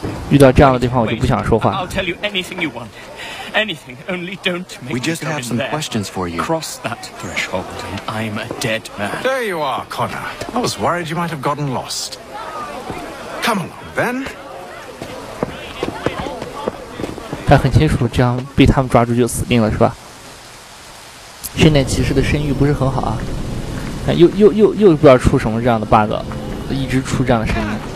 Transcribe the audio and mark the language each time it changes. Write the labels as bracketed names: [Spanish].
[Chinese] 遇到这样的地方，我就不想说话。 [English] I'll tell you anything you want, anything. Only don't make me come in there. We just have some questions for you. Cross that threshold, and I'm a dead man. There you are, Connor. I was worried you might have gotten lost. Come along, then. [Chinese] 他很清楚，这样被他们抓住就死定了，是吧？圣殿骑士的声誉不是很好啊，又不知道出什么这样的 bug， 一直出这样的声音。